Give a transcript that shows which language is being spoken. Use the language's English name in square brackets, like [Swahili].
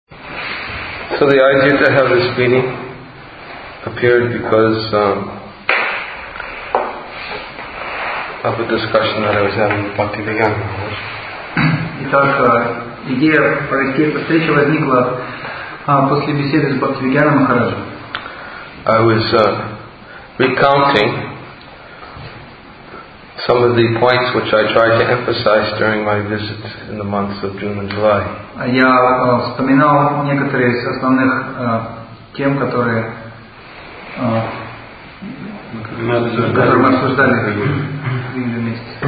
[English] So the idea to have this meeting appeared because of a discussion that I was having with Bhakti Vedanta. [Russian] Итак, идея провести эту встречу возникла после беседы с Бхакти Вегьяна Махараджем. [English] I was recounting some of the points which I tried to emphasize during my visit in the months of June and July. [Russian] Я вспоминал некоторые из основных тем, которые мы обсуждали вместе.